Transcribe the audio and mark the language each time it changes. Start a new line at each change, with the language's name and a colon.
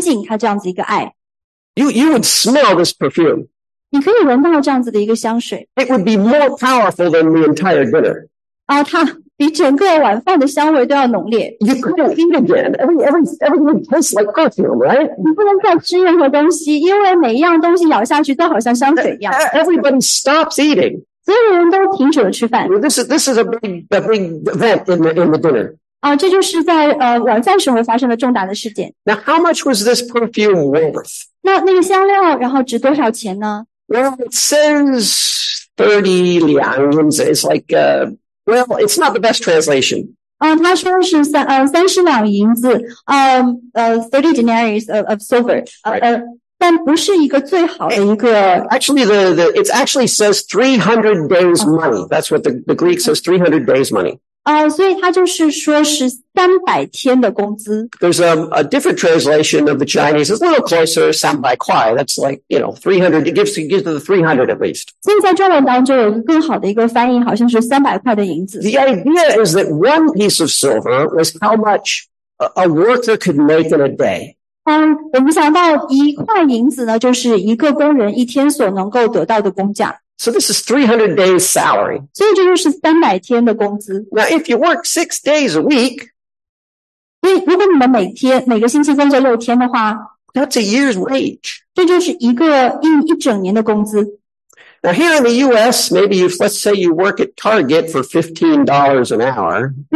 Chinese: 因为汉可能就是在这里想要强调他是用他的头发，然后来撒那个香料，以至于他可以展示他的这样子一个尊敬，他这样子一个爱。You
English: would smell this perfume.
Chinese: 你可以闻到这样子的一个香水。
English: It would be more powerful than the entire dinner.
Chinese: 它比整个晚饭的香味都要浓烈。
English: You couldn't eat again. Everything tastes like perfume, right?
Chinese: 你不能再吃任何东西，因为每一样东西咬下去都好像香水一样。
English: Everybody stops eating.
Chinese: 所有人都停止了吃饭。
English: This is a big event in the dinner.
Chinese: 这就是在晚饭时候发生了重大的事件。
English: Now, how much was this perfume worth?
Chinese: 那个香料然后值多少钱呢？
English: Well, it says 30 liangs. It's like, well, it's not the best translation.
Chinese: 它说是30两银子,
English: 30 denarii of silver. Right.
Chinese: 但不是一个最好的一个...
English: Actually, it actually says 300 days money. That's what the Greek says, 300 days money.
Chinese: 所以他就是说是300天的工资。
English: There's a different translation of the Chinese. It's a little closer, 300块. That's like, you know, 300. It gives the 300 at least.
Chinese: 现在中文当中有一个更好的一个翻译，好像是300块的银子。
English: The idea is that one piece of silver was how much a worker could make in a day.
Chinese: 我们想到一块银子呢，就是一个工人一天所能够得到的工价。
English: So this is 300 days salary.
Chinese: 所以这就是300天的工资。
English: Now if you work 6 days a week,
Chinese: 如果你们每天每个星期工作六天的话,
English: that's a year's wage.
Chinese: 这就是一个一整年的工资。
English: Now here in the U.S., maybe let's say you work at Target for $15 an hour.